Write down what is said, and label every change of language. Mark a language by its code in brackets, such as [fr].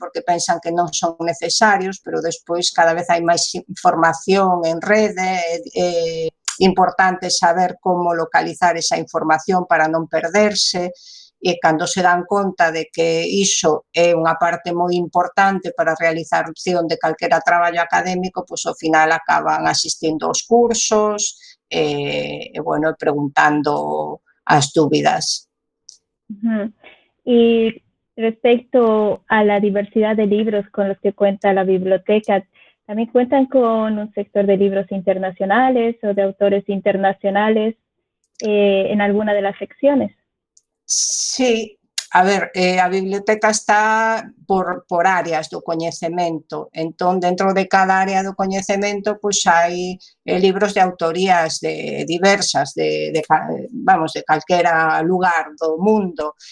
[gl] Porque pensan que non son necesarios, pero despois cada vez hai máis información en rede, importante saber como localizar esa información para non perderse, e cando se dan conta de que iso é unha parte moi importante para a realización de calquera traballo académico, pois ao final acaban asistindo aos cursos bueno, preguntando as dúbidas. [es] Y respecto a la diversidad de libros con los que cuenta la biblioteca, También cuentan con un sector de libros internacionales o de autores internacionales en alguna de las secciones. [gl] Sí, a ver, a biblioteca está por áreas do coñecemento. Entón, dentro de cada área do coñecemento, pues hai libros de autorías de diversas, vamos, de calquera lugar do mundo.